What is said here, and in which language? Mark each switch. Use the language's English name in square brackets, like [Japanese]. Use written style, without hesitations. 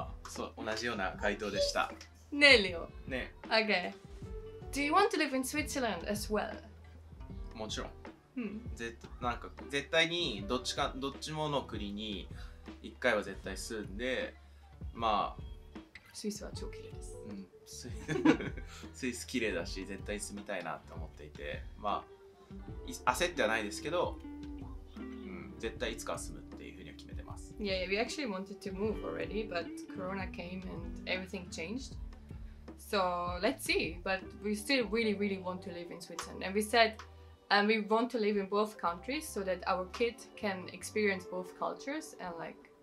[Japanese] So, 同じような回答でした。ね、Leo. ね。 [English] Okay. Do you want to live in Switzerland as well? [Japanese] もちろん。なんか、絶対にどっちもの国に一回は絶対住んで、まあスイスは超綺麗です。うん、スイス綺麗だし絶対住みたいなと思っていて、まあ焦ってはないですけど、うん、絶対いつか住むっていうふうには決めてます。 [English] Yeah, yeah, we actually wanted to move already, but Corona came and everything changed. So let's see, but we still really, really want to live in Switzerland. And we said, and we want to live in both countries so that our kid can experience both cultures and like.